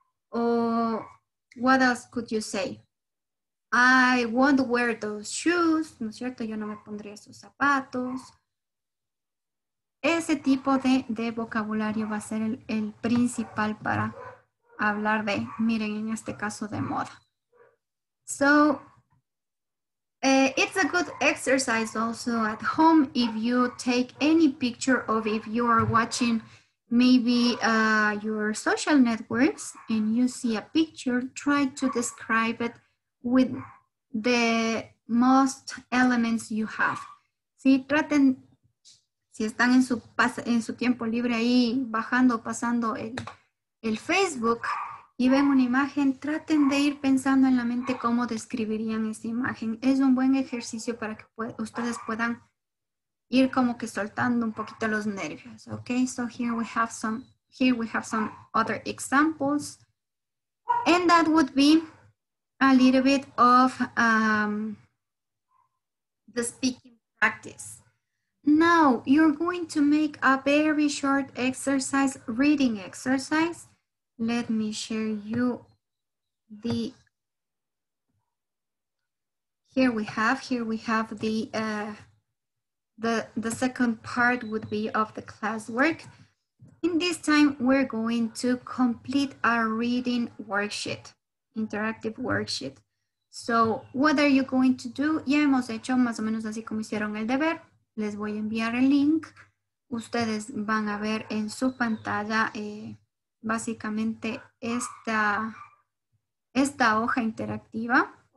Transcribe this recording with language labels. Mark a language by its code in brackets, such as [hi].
[en] O, what else could you say? I won't wear those shoes, [es] ¿no es cierto? Yo no me pondría esos zapatos. Ese tipo de vocabulario va a ser el principal para hablar de, miren, en este caso de moda. [en] So, it's a good exercise also at home if you take any picture of if you are watching maybe your social networks and you see a picture, try to describe it with the most elements you have. [es] Si traten, si están en su tiempo libre ahí bajando, pasando el Facebook y ven una imagen, traten de ir pensando en la mente cómo describirían esa imagen. Es un buen ejercicio para que ustedes puedan ir como que soltando un poquito los nervios. [en] Okay, so here we have some other examples. And that would be a little bit of the speaking practice. Now, you're going to make a very short exercise, reading exercise. Let me share you the... Here we have the second part would be of the classwork. In this time, we're going to complete a reading worksheet, interactive worksheet. So what are you going to do? [es] Ya hemos hecho más o menos así como hicieron el deber. Les voy a enviar el link. Ustedes van a ver en su pantalla básicamente esta hoja interactiva.